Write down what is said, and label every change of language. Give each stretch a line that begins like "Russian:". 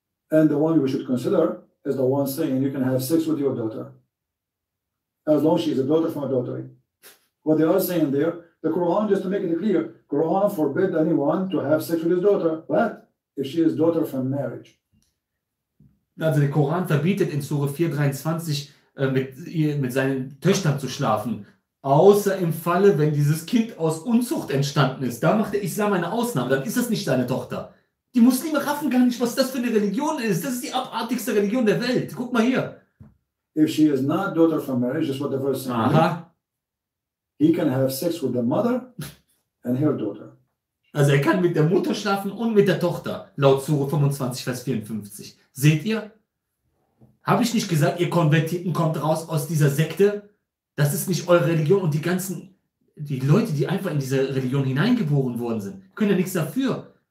English: And the one we should consider is the one saying you can have sex with your daughter. As long as she is a daughter from adultery. What they are saying there, the Quran, just to make it clear, Quran forbid anyone to have sex with his daughter. But if she is daughter from marriage.
German: Also der Koran verbietet in Surah 4,23 mit seinen Töchtern zu schlafen. Außer im Falle, wenn dieses Kind aus Unzucht entstanden ist. Da macht der Islam eine Ausnahme. Dann ist das nicht deine Tochter. Die Muslime raffen gar nicht, was das für eine Religion ist. Das ist die abartigste Religion der Welt. Guck mal hier.
English: If she is not daughter from marriage, is what the verse says. He can have sex with the mother and her daughter.
German: Also er kann mit der Mutter schlafen und mit der Tochter, laut Sure 25, Vers 54. Seht ihr? Habe ich nicht gesagt, ihr Konvertiten kommt raus aus dieser Sekte? Das ist nicht eure Religion und die ganzen, die Leute, die einfach in diese Religion hineingeboren worden sind, können ja nichts dafür.